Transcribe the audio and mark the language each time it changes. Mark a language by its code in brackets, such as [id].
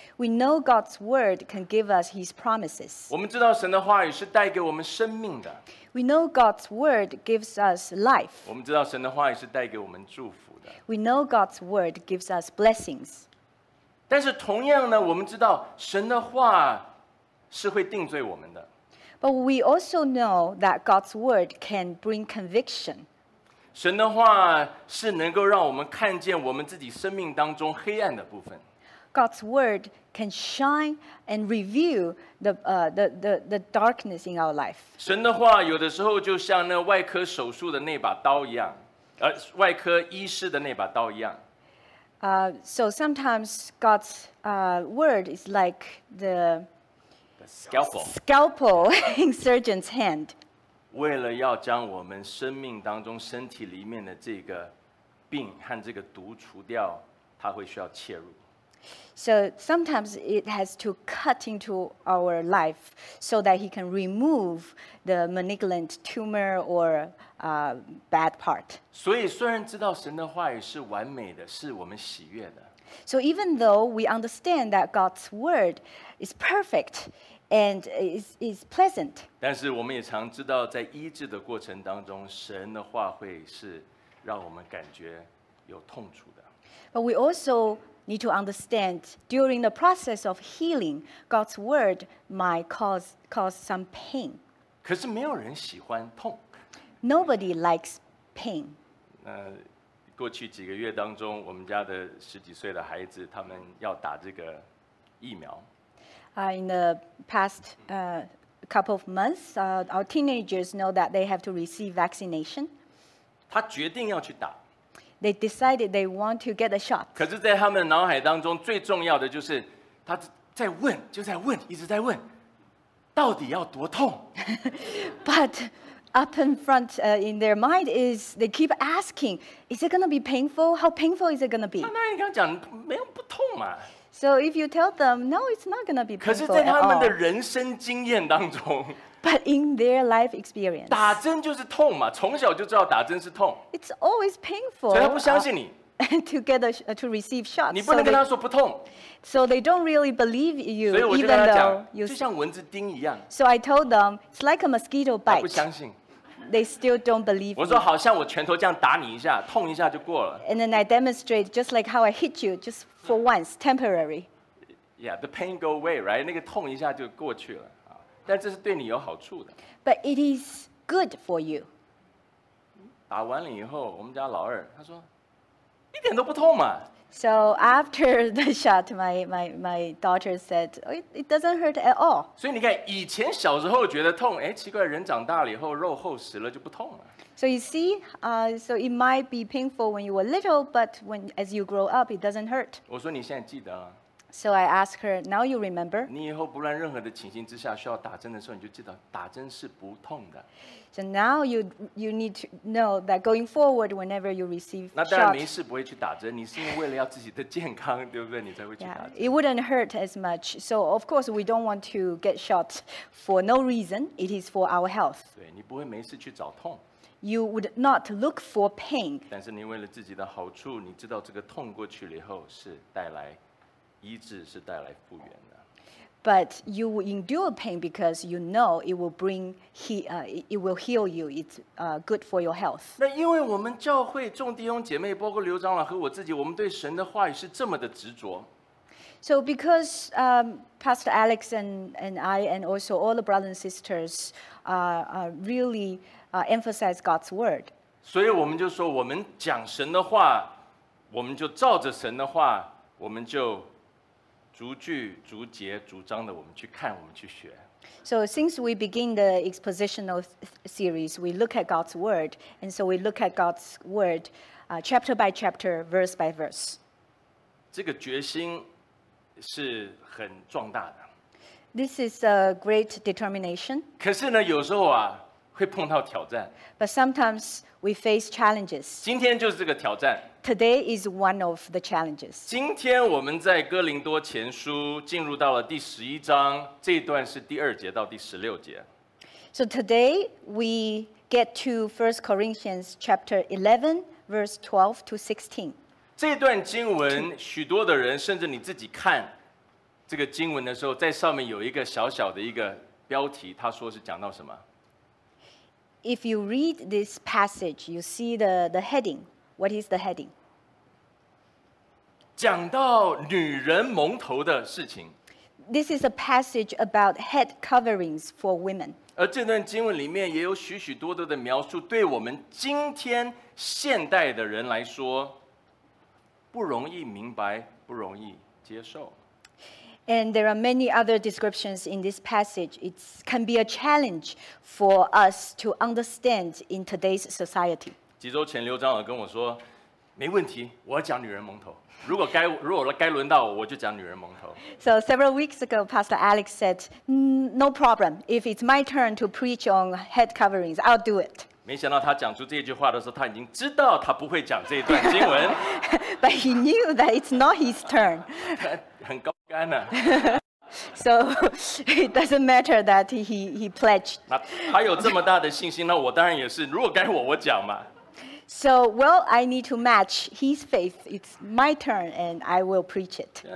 [en] We know God's word can give us His promises. [zh] 我们知道神的话语是带给我们生命的。 [en] We know God's word gives us life. [zh] 我们知道神的话语是带给我们祝福的。 [en] We know God's word gives us blessings. [zh] 但是同样呢，我们知道神的话是会定罪我们的。 [en] But we also know that God's word can bring conviction. [zh] 神的话是能够让我们看见我们自己生命当中黑暗的部分。 [en] God's word can shine and reveal the darkness in our life. [zh] 神的话有的时候就像那外科手术的那把刀一样，外科医师的那把刀一样。 [en] So sometimes God's word is like the scalpel in surgeon's hand. [zh] 为了要将我们生命当中身体里面的这个病和这个毒除掉，它会需要切入。 [en] So sometimes it has to cut into our life so that He can remove the malignant tumor or bad part. [zh] 所以虽然知道神的话语是完美的，是我们喜悦的。 [en] So even though we understand that God's word is perfect and is pleasant. [zh] 但是我们也常知道在医治的过程当中，神的话会是让我们感觉有痛楚的。 [en] But we also need to understand during the process of healing, God's word might cause some pain. [zh] 可是没有人喜欢痛。 [en] Nobody likes pain. [zh] 过去几个月当中，我们家的十几岁的孩子，他们要打这个疫苗。 [en] In the past couple of months, our teenagers know that they have to receive vaccination. [zh] 他决定要去打。 [en] They decided they want to get a shot. [zh] 可是在他们脑海当中最重要的就是他在问，就在问，一直在问，到底要多痛。 [en] But up in front, in their mind is they keep asking, is it going to be painful? How painful is it going to be? [zh] 那你刚讲没有不痛嘛。 [en] So if you tell them, no, it's not going to be painful at all. [zh] 可是在他们的人生经验当中。 [en] But in their life experience, [zh] 打针就是痛嘛，从小就知道打针是痛。 [en] It's always painful. [zh] 所以他不相信你。 [en] To receive shots, [zh] 你不能跟他说不痛。 [en] So they don't really believe you. [zh] 所以我就跟他讲，就像蚊子叮一样。 [en] So I told them it's like a mosquito bite. [zh] 他不相信。 [en] They still don't believe me. [zh] 我说好像我拳头这样打你一下，痛一下就过了。 [en] And then I demonstrate just like how I hit you, just for once, temporary. Yeah, the pain go away, right? [zh] 那个痛一下就过去了。但这是对你有好处的。 [en] But it is good for you. [zh] 打完了以后，我们家老二他说，一点都不痛嘛。 [en] So after the shot, my daughter said, it doesn't hurt at all. [zh] 所以你看，以前小时候觉得痛，哎，奇怪，人长大了以后肉厚实了就不痛了。 [en] So you see, so it might be painful when you were little, but when as you grow up, it doesn't hurt. [zh] 我说你现在记得啊。 [en] So I asked her, now you remember? [zh] 你以后不论任何的情形之下需要打针的时候，你就记得打针是不痛的。 [en] So now you need to know that going forward, whenever you receive shot, [zh] 那当然没事不会去打针，你是因为为了要自己的健康，对不对？你才会去打针。 [en] Yeah, it wouldn't hurt as much. So of course, we don't want to get shot for no reason. It is for our health. [zh] 对，你不会没事去找痛。 [en] You would not look for pain. [zh] 但是你为了自己的好处，你知道这个痛过去了以后是带来医治，是带来复原的。 [en] But you will endure pain because you know it will bring it will heal you. It's good for your health. [zh] 那因为我们教会众弟兄姐妹，包括刘长老和我自己，我们对神的话语是这么的执着。 [en] So because Pastor Alex and I and also all the brothers and sisters really emphasize God's word. [zh] 所以我们就说，我们讲神的话，我们就照着神的话，我们就逐句逐节逐章的我们去看，我们去学。 [en] So since we begin the expositional series, we look at God's word, and so we look at God's word, chapter by chapter, verse by verse. [zh] 这个决心是很壮大的。 [en] This is a great determination. [zh] 可是呢，有时候啊，会碰到挑战。 [en] But sometimes we face challenges. [zh] 今天就是这个挑战。 [en] Today is one of the challenges. [zh] 今天我们在哥林多前书进入到了第十一章，这一段是第二节到第十六节。 [en] So today we get to 1 Corinthians chapter 11, verse 12 to 16. [zh] 这段经文，许多的人，甚至你自己看这个经文的时候，在上面有一个小小的一个标题，他说是讲到什么？ [en] If you read this passage, you see the heading. What is the heading? [zh] 讲到女人蒙头的事情。 [en] This is a passage about head coverings for women. [zh] 而这段经文里面也有许许多多的描述，对我们今天现代的人来说，不容易明白，不容易接受。 [en] And there are many other descriptions in this passage. It can be a challenge for us to understand in today's society. [zh] 几周前刘长老跟我说，没问题，我要讲女人蒙头。如果该轮到我，我就讲女人蒙头。 [en] So several weeks ago, Pastor Alex said, no problem. If it's my turn to preach on head coverings, I'll do it. [zh] 没想到他讲出这句话的时候，他已经知道他不会讲这一段经文。 [en] But he knew that it's not his turn. [zh] 很高干啊。 [en] So it doesn't matter that he pledged. [zh] 他有这么大的信心，那我当然也是，如果该我讲嘛。 [en] So, well, I need to match his faith. It's my turn, and I will preach it.